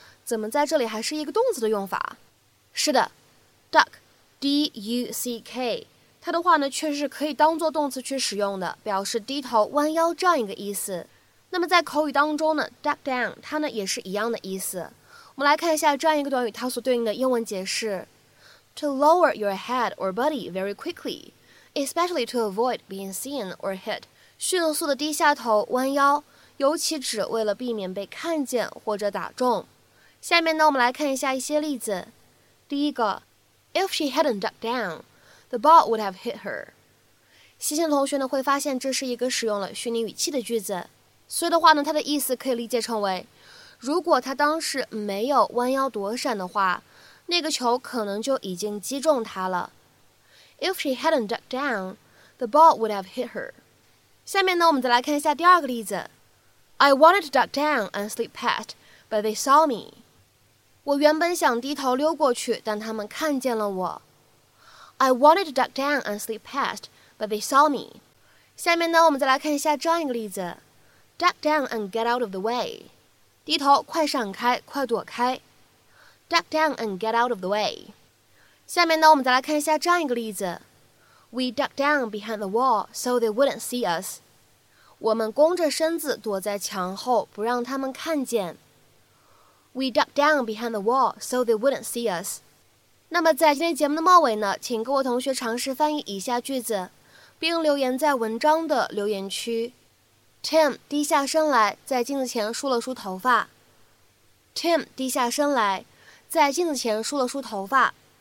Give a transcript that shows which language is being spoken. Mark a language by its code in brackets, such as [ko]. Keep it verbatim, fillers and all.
[zh] 怎么在这里还是一个动词的用法？是的 ，duck，d-u-c-k， 它的话呢确实是可以当做动词去使用的，表示低头、弯腰这样一个意思。那么在口语当中呢 ，duck down 它呢也是一样的意思。我们来看一下这样一个短语它所对应的英文解释 ： [en] to lower your head or body very quickly。 Especially to avoid being seen or hit. [zh] 迅速的低下头弯腰，尤其只为了避免被看见或者打中。下面呢，我们来看一下一些例子。第一个 [en] ，If she hadn't ducked down, the ball would have hit her. [zh] 细心的同学呢会发现这是一个使用了虚拟语气的句子，所以的话呢，它的意思可以理解成为，如果他当时没有弯腰躲闪的话，那个球可能就已经击中他了。 [en] If she hadn't ducked down, the ball would have hit her. [zh] 下面呢，我们再来看一下第二个例子。 [en] I wanted to duck down and slip past, but they saw me. [zh] 我原本想低头溜过去，但他们看见了我。 [en] I wanted to duck down and slip past, but they saw me. [zh] 下面呢，我们再来看一下这样一个例子。 [en] Duck down and get out of the way. [zh] 低头，快闪开，快躲开。 [en] duck down and get out of the way. [zh] 下面呢，我们再来看一下这样一个例子。 [en] We ducked down behind the wall so they wouldn't see us. [zh] 我们弓着身子躲在墙后，不让他们看见。 [en] We ducked down behind the wall so they wouldn't see us. [zh] 那么在今天节目的末尾呢，请各位同学尝试翻译以下句子，并留言在文章的留言区。 Tim 低下身来，在镜子前梳了梳头发。 Tim 低下身来，在镜子前梳了梳头发。